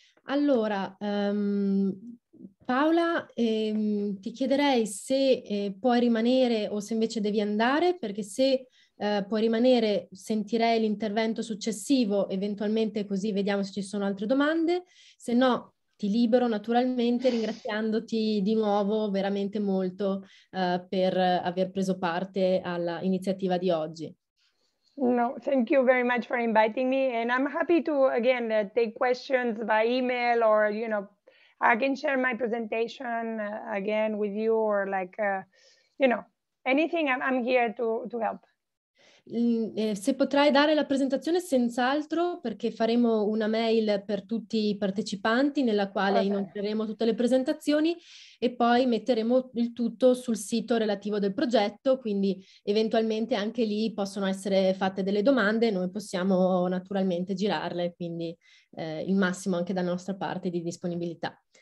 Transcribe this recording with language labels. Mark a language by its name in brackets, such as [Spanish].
[Italian] Allora, Paola, ti chiederei se puoi rimanere o se invece devi andare, perché se puoi rimanere sentirei l'intervento successivo, eventualmente così vediamo se ci sono altre domande, se no ti libero naturalmente, ringraziandoti di nuovo veramente molto per aver preso parte all'iniziativa di oggi. [English] No, thank you very much for inviting me, and I'm happy to again take questions by email, or you know, I can share my presentation again with you, or like, you know, anything, I'm here to help. [Italian] Se potrai dare la presentazione, senz'altro, perché faremo una mail per tutti i partecipanti nella quale inoltreremo tutte le presentazioni e poi metteremo il tutto sul sito relativo del progetto, quindi eventualmente anche lì possono essere fatte delle domande, noi possiamo naturalmente girarle, quindi il massimo anche dalla nostra parte di disponibilità.